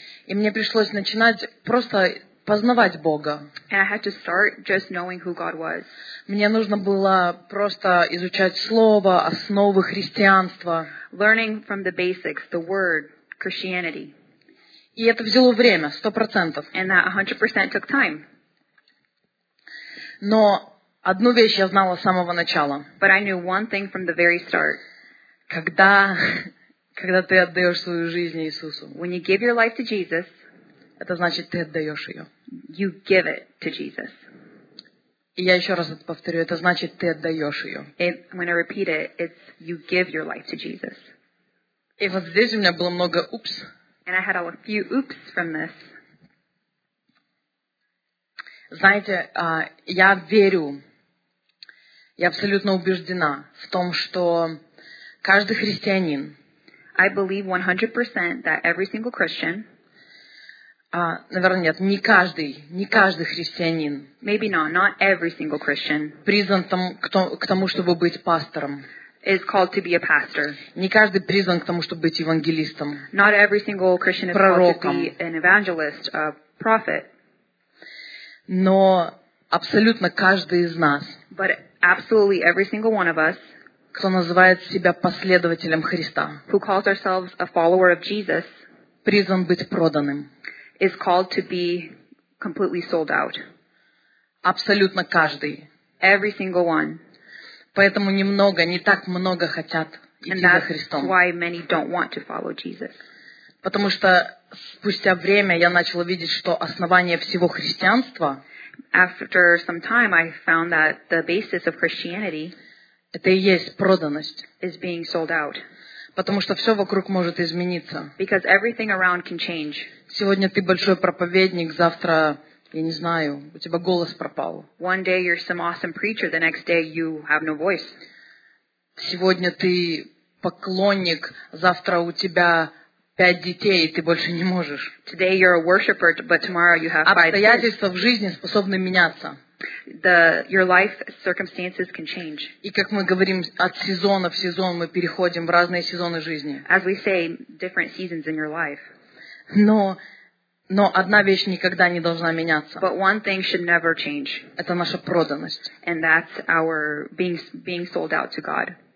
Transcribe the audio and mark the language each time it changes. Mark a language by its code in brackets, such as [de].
[ru] И мне пришлось начинать просто познавать Бога. [en] And I had to start just knowing who God was. [ru] Мне нужно было просто изучать Слово, основы христианства. [en] Learning from the basics, the word, Christianity. [ru] И это взяло время, 100%. [en] And that 100% took time. [ru] Но одну вещь я знала с самого начала. [en] But I knew one thing from the very start. [ru] Когда ты отдаешь свою жизнь Иисусу. [en] When you give your life to Jesus. [ru] Это значит, ты отдаешь ее. [en] You give it to Jesus. [ru] И я еще раз это повторю. Это значит, ты отдаешь ее. [en] I'm going to repeat it. It's you give your life to Jesus. [ru] И вот здесь у меня было много oops. [en] And I had a few oops from this. [ru] Знаете, я верю, я абсолютно убеждена в том, что каждый христианин [en] I believe 100% that every single Christian [ru] Наверное, нет, не каждый христианин. [en] Maybe not every single Christian. [ru] Призван к тому, чтобы быть пастором. [en] Is called to be a pastor. [ru] Не каждый призван к тому, чтобы быть евангелистом. [en] Not every single Christian is [ru] пророком. [en] Called to be an evangelist, a prophet. [ru] Но абсолютно каждый из нас. [en] But absolutely every single one of us. [ru] Кто называет себя последователем Христа. [en] Who calls ourselves a follower of Jesus. [ru] Призван быть проданным. [en] Is called to be completely sold out. [ru] Абсолютно каждый. [en] Every single one. [ru] Поэтому немного, не так много хотят идти за Христом. [en] That's why many don't want to follow Jesus. [ru] Потому что спустя время я начала видеть, что основание всего христианства [en] After some time, I found that the basis of Christianity [ru] это и есть проданность. [en] Is being sold out. [ru] Потому что все вокруг может измениться. [en] Because everything around can change. [ru] Сегодня ты большой проповедник, завтра, я не знаю, у тебя голос пропал. [en] One day you're some awesome preacher, the next day you have no voice. [ru] Сегодня ты поклонник, завтра у тебя 5 детей, и ты больше не можешь. [en] Today you're a worshipper, but tomorrow you have 5 kids. [ru] Обстоятельства в жизни способны меняться. [en] Your life circumstances can change. [ru] И как мы говорим, от сезона в сезон мы переходим в разные сезоны жизни. [en] As we say, different seasons in your life. [ru] Но одна вещь никогда не должна меняться. [en] But one thing should never change. [ru] Это наша проданность. [en] And that's our being sold out to God.